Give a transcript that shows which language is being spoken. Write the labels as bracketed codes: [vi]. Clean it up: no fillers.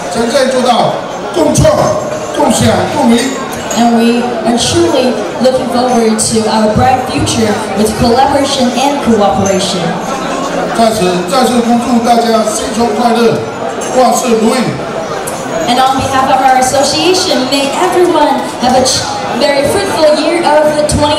[zh] 真正做到共创、共享、共赢。 [en] And we are truly looking forward to our bright future with collaboration and cooperation. [zh] 再次恭祝大家新春快乐，万事如意。 [en] And on behalf of our association, may everyone have a very fruitful year of 2024.